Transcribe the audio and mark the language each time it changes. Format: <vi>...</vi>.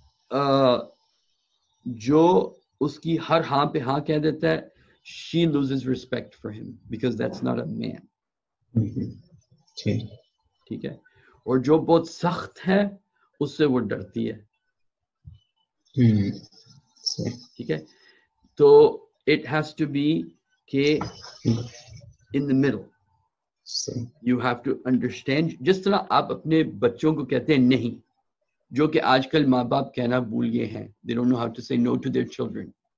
<ur>تو جو اس کی ہر ہاں پہ ہاں کہہ دیتا ہے،</ur> <en>she loses respect for him because that's not a man.</en> <ur>ٹھیک ہے. اور جو بہت سخت ہے اس سے وہ ڈرتی ہے. ٹھیک ہے.</ur> <en>تو it has to be کہ in the middle you have to understand.</en> <ur>جس طرح آپ اپنے بچوں کو کہتے ہیں نہیں، جو کہ آج کل ماں باپ کہنا بھول گئے ہیں،</ur> <en>they don't know how to say no to their children.</en>